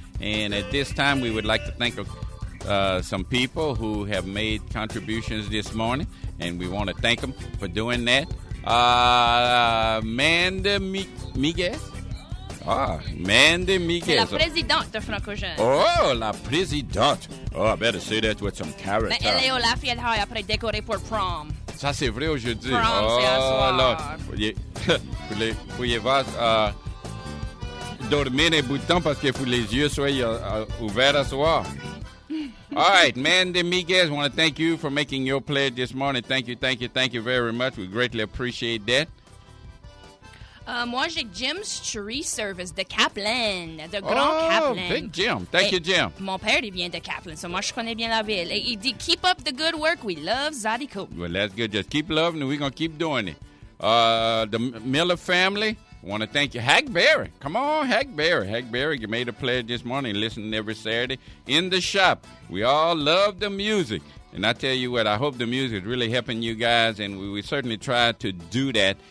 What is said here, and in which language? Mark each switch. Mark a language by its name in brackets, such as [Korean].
[English] And at this time, we would like to thank some people who have made contributions this morning. And we want to thank them for doing that. Amanda Miguez. Ah, Mandy Miguez. [French] C'est la présidente de Franco-Jeune. Oh, la présidente. [English] Oh, I better say that with some character. [French] Mais elle est au Lafayette High après décorer pour prom. Ça, c'est vrai aujourd'hui. Prom, c'est un soir. Vous pouvez voir, dormir les boutons parce que faut les yeux soient ouverts à soir. [English] All right, Mandy Miguez, I want to thank you for making your pledge this morning. Thank you, thank you, thank you very much. We greatly appreciate that. [French] Moi, j'ai Jim's Tree Service de Kaplan, de Grand Kaplan. [English] Oh, big Jim. Thank you, Jim. [French] Mon père, il vient de Kaplan, so moi, je connais bien la ville. [English] Et il dit, keep up the good work. We love Zydeco. Well, that's good. Just keep loving and we're going to keep doing it. The Miller family, want to thank you. Hackberry, come on, Hackberry. Hackberry, you made a pledge this morning, listening every Saturday in the shop. We all love the music. And I tell you what, I hope the music is really helping you guys, and we certainly try to do that.